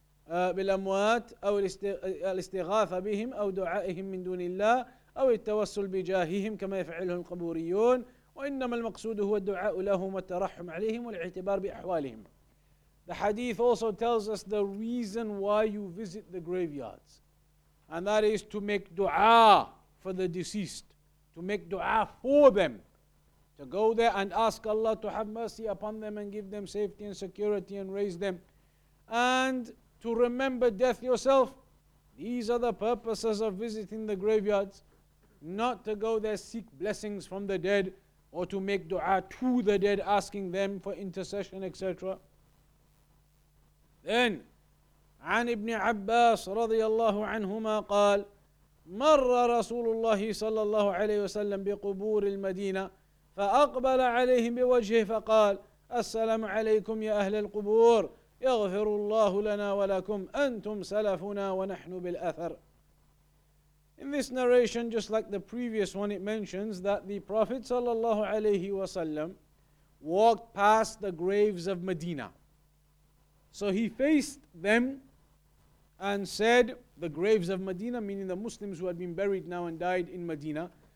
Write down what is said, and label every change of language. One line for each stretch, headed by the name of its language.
Arabic: بالأموات أو الاستغاثة بهم أو دعائهم من دون الله أو التوسل بجاههم كما يفعله القبوريون، وإنما المقصود هو الدعاء لهم والترحم عليهم والاعتبار بأحوالهم.
English: The hadith also tells us the reason why you visit the graveyards, and that is to make dua for the deceased, to make dua for them, to go there and ask Allah to have mercy upon them and give them safety and security and raise them, and to remember death yourself. These are the purposes of visiting the graveyards, not to go there seek blessings from the dead or to make dua to the dead, asking them for intercession, etc.
Arabic: Then, عن ابن عباس رضي الله عنهما قال مر رسول الله صلى الله عليه وسلم بقبور المدينة فأقبل عليهم بوجهه فقال السلام عليكم يا أهل القبور يغفر الله لنا ولكم أنتم سلفنا ونحن بالأثر.
English: In this narration, just like the previous one, it mentions that the Prophet
Arabic: صلى الله عليه وسلم
English: walked past the graves of Medina. So he faced them and said, the graves of Medina, meaning the Muslims who had been buried now and died in Medina.